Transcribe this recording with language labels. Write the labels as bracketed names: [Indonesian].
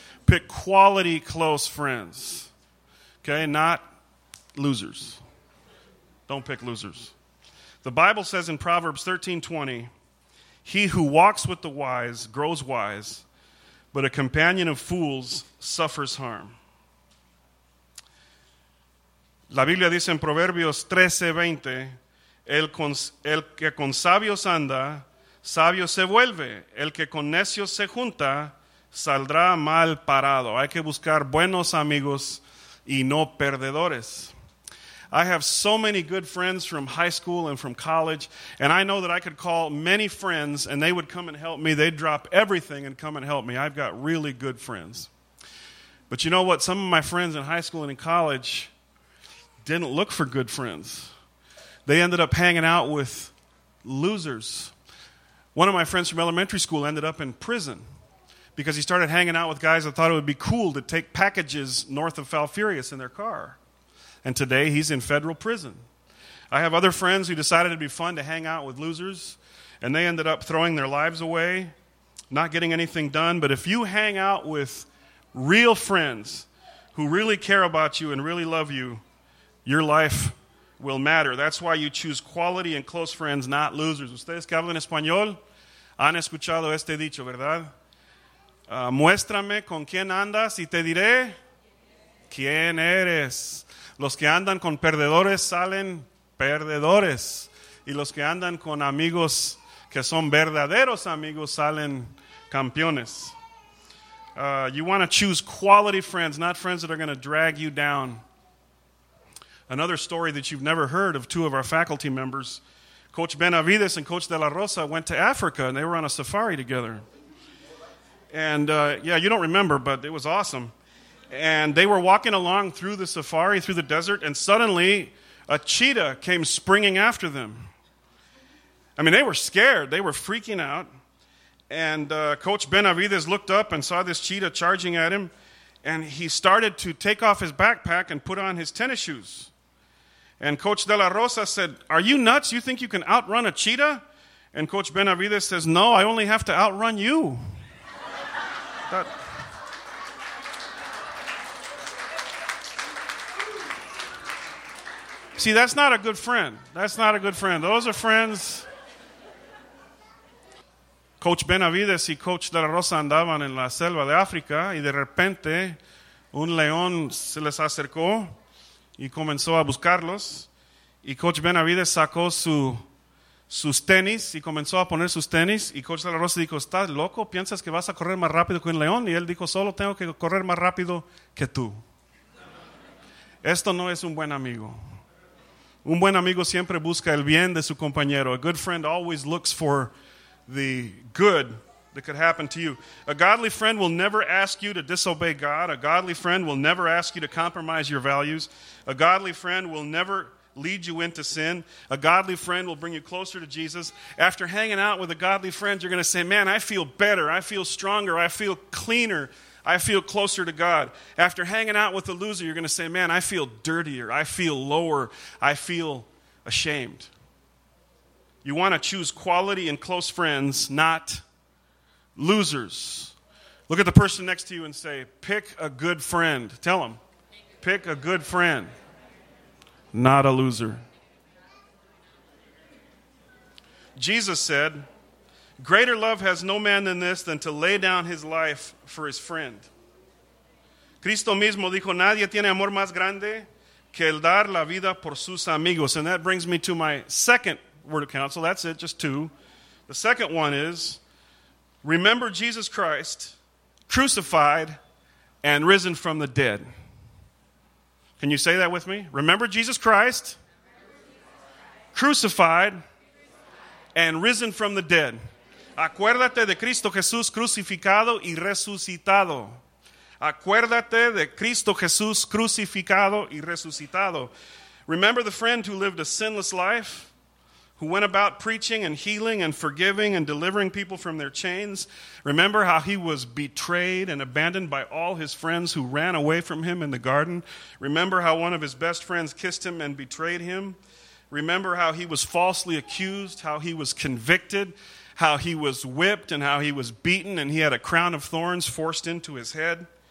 [English] Pick quality close friends, okay, not losers. Don't pick losers. The Bible says in Proverbs 13:20, he who walks with the wise grows wise, but a companion of fools suffers harm. [Spanish] La Biblia dice en Proverbios 13:20, el que con sabios anda, sabio se vuelve. El que con necios se junta, saldrá mal parado. Hay que buscar buenos amigos y no perdedores. [English] I have so many good friends from high school and from college, and I know that I could call many friends, and they would come and help me. They'd drop everything and come and help me. I've got really good friends. But you know what? Some of my friends in high school and in college didn't look for good friends. They ended up hanging out with losers. One of my friends from elementary school ended up in prison because he started hanging out with guys that thought it would be cool to take packages north of Falfurrias in their car. And today he's in federal prison. I have other friends who decided it'd be fun to hang out with losers, and they ended up throwing their lives away, not getting anything done. But if you hang out with real friends who really care about you and really love you, your life will matter. That's why you choose quality and close friends, not losers. [Spanish] Ustedes que hablan español han escuchado este dicho, ¿verdad? Muéstrame con quién andas y te diré quién eres. Los que andan con perdedores salen perdedores. Y los que andan con amigos que son verdaderos amigos salen campeones. [English] You want to choose quality friends, not friends that are going to drag you down. Another story that you've never heard of two of our faculty members, Coach Benavides and Coach De La Rosa, went to Africa, and they were on a safari together. And, yeah, you don't remember, but it was awesome. And they were walking along through the safari, through the desert, and suddenly a cheetah came springing after them. I mean, they were scared. They were freaking out. And Coach Benavides looked up and saw this cheetah charging at him, and he started to take off his backpack and put on his tennis shoes. And Coach De La Rosa said, "Are you nuts? You think you can outrun a cheetah?" And Coach Benavides says, "No, I only have to outrun you." See, that's not a good friend. Those are friends. [Spanish] Coach Benavides y Coach De La Rosa andaban en la selva de África, y de repente un león se les acercó y comenzó a buscarlos. Y Coach Benavides sacó sus tenis y comenzó a poner sus tenis. Y Coach De La Rosa dijo, "¿Estás loco? ¿Piensas que vas a correr más rápido que un león?" Y él dijo, "Solo tengo que correr más rápido que tú." Esto no es un buen amigo. Un buen amigo siempre busca el bien de su compañero. [English] A good friend always looks for the good that could happen to you. A godly friend will never ask you to disobey God. A godly friend will never ask you to compromise your values. A godly friend will never lead you into sin. A godly friend will bring you closer to Jesus. After hanging out with a godly friend, you're going to say, "Man, I feel better. I feel stronger. I feel cleaner. I feel closer to God." After hanging out with a loser, you're going to say, "Man, I feel dirtier. I feel lower. I feel ashamed." You want to choose quality and close friends, not losers. Look at the person next to you and say, "Pick a good friend." Tell them, "Pick a good friend, not a loser." Jesus said, "Greater love has no man than this, than to lay down his life for his friend." [Spanish] Cristo mismo dijo, "Nadie tiene amor más grande que el dar la vida por sus amigos." [English] And that brings me to my second word of counsel. That's it, just two. The second one is, remember Jesus Christ, crucified and risen from the dead. Can you say that with me? Remember Jesus Christ, crucified and risen from the dead. [Spanish] Acuérdate de Cristo Jesús crucificado y resucitado. Acuérdate de Cristo Jesús crucificado y resucitado. [English] Remember the friend who lived a sinless life, who went about preaching and healing and forgiving and delivering people from their chains. Remember how he was betrayed and abandoned by all his friends who ran away from him in the garden. Remember how one of his best friends kissed him and betrayed him. Remember how he was falsely accused, how he was convicted, how he was whipped and how he was beaten and he had a crown of thorns forced into his head.